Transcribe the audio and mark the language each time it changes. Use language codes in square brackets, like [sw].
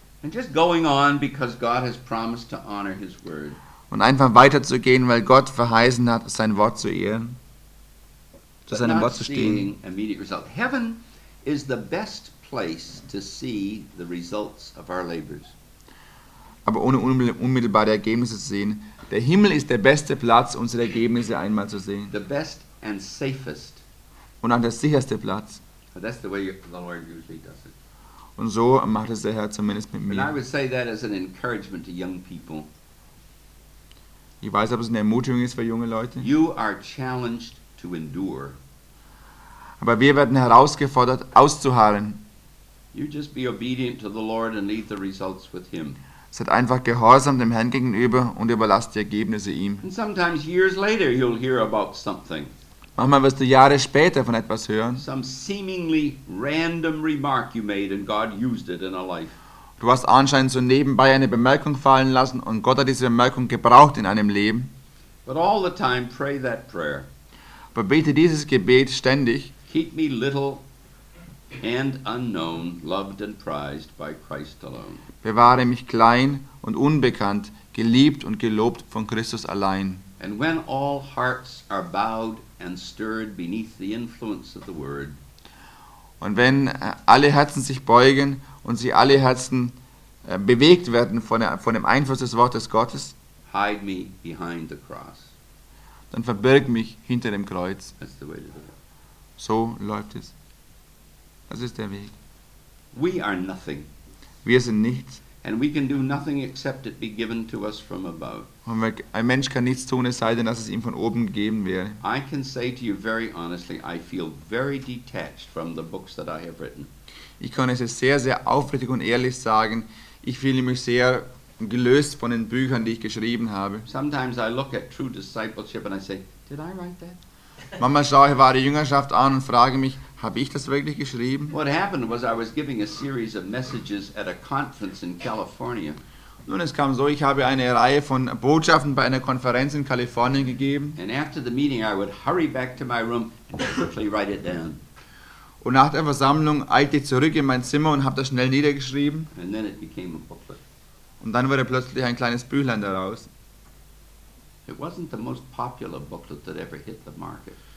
[en] And just going on because God has promised to honor his word. [de] Und einfach weiterzugehen, weil Gott verheißen hat, sein Wort zu ehren, zu seinem Wort zu stehen. [en] Heaven is the best place to see the results of our labors. [de] Aber ohne unmittelbare Ergebnisse zu sehen. Der Himmel ist der beste Platz, unsere Ergebnisse einmal zu sehen. [en] The best and safest. [de] Und auch der sicherste Platz. [en] That's the way the Lord usually does it. [de] Und so macht es der Herr zumindest mit mir. [en] And I would say that as an encouragement to young people. [de] Ich weiß, ob es eine Ermutigung ist für junge Leute. [en] You are challenged to endure. [de] Aber wir werden herausgefordert, auszuharren. [en] You just be obedient to the Lord and leave the results with him. [de] Seid einfach gehorsam dem Herrn gegenüber und überlasst die Ergebnisse ihm. [en] And sometimes years later you'll hear about something. [de] Manchmal wirst du Jahre später von etwas hören. [en] Some seemingly random remark you made and God used it in a life. [de] Du hast anscheinend so nebenbei eine Bemerkung fallen lassen und Gott hat diese Bemerkung gebraucht in einem Leben. [en] But all the time pray that prayer. [de] Aber bete dieses Gebet ständig. [en] Keep me little and unknown, loved and prized by Christ alone. [de] Bewahre mich klein und unbekannt, geliebt und gelobt von Christus allein. [en] And when all hearts are bowed and stirred beneath the influence of the word. [de] Und wenn alle Herzen sich beugen und sie alle Herzen bewegt werden von dem Einfluss des Wortes Gottes, [en] hide me behind the cross. [de] Dann verbirg mich hinter dem Kreuz. [en] That's the way to do it. [de] So läuft es. Das ist der Weg. [en] We are nothing. [de] Wir sind nichts. [en] And we can do nothing except it be given to us from above. [de] Und ein Mensch kann nichts tun, es sei denn, dass es ihm von oben gegeben wäre. [en] I can say to you very honestly, I feel very detached from the books that I have written. [de] Ich kann es sehr, sehr aufrichtig und ehrlich sagen, ich fühle mich sehr gelöst von den Büchern, die ich geschrieben habe. [en] Sometimes I look at true discipleship and I say, did I write that? [de] Manchmal schaue ich wahre Jüngerschaft an und frage mich, habe ich das wirklich geschrieben? [en] What happened was I was giving a series of messages at a conference in California. [de] Nun, es kam so, ich habe eine Reihe von Botschaften bei einer Konferenz in Kalifornien gegeben. [en] And after the meeting I would hurry back to my room and quickly write it down. [de] Und nach der Versammlung eilte ich zurück in mein Zimmer und habe das schnell niedergeschrieben. [en] And then it became a booklet. [de] Und dann wurde plötzlich ein kleines Büchlein daraus. [en] It wasn't the most popular booklet that ever hit the market.